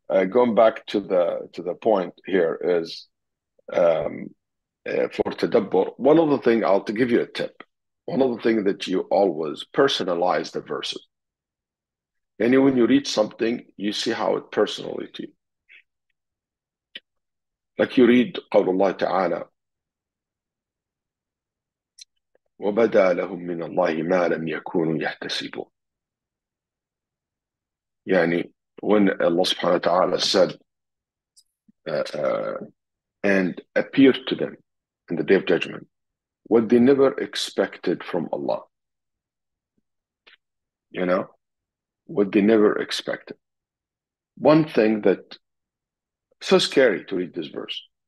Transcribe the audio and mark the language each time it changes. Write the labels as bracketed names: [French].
[English] Going back to the point here is for tadabbur, one of the things, I'll give you a tip. One of the things that you always personalize the verses. And when you read something, you see how it personally to you. Like you read Qawlullah Ta'ala, [Arabic] وَبَدَى لَهُمْ مِنَ اللَّهِ مَا لَمْ يَكُونُوا يَحْتَسِبُونَ. [English] يعني when Allah subhanahu wa ta'ala said and appeared to them in the Day of Judgment what they never expected from Allah. You know? What they never expected. One thing that so scary to read this verse.